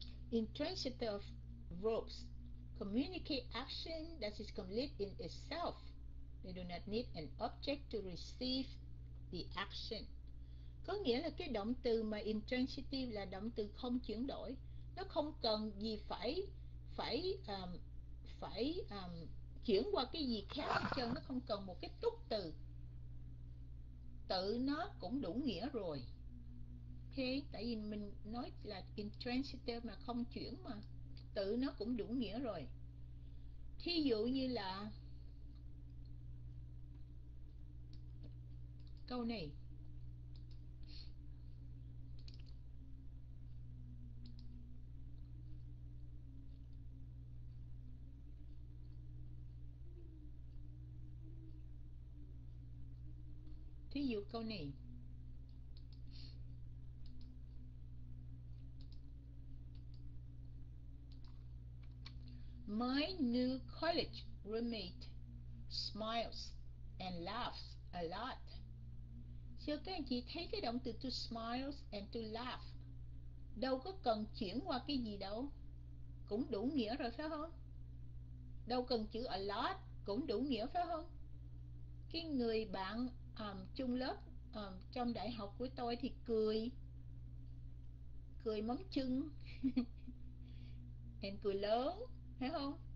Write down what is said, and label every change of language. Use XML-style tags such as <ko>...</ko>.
<en>Intransitive verbs communicate action that is complete in itself. They do not need an object to receive the action.</en> <vi>Có nghĩa là cái động từ mà intransitive là động từ không chuyển đổi, nó không cần gì phải phải phải chuyển qua cái gì khác hết trơn, nó không cần một cái túc từ, tự nó cũng đủ nghĩa rồi. Okay, tại vì mình nói là intransitive mà không chuyển, mà tự nó cũng đủ nghĩa rồi. Thí dụ như là câu này, thí dụ câu này.</vi> <en>My new college roommate smiles and laughs a lot.</en> <vi>So các anh chị thấy cái động từ</vi> <en>to smile and to laugh</en> <vi>đâu có cần chuyển qua cái gì đâu, cũng đủ nghĩa rồi phải không? Đâu cần chữ a lot cũng đủ nghĩa phải không? Cái người bạn chung lớp trong đại học của tôi thì cười cười móng chân em cười lớn. Thấy không?</vi>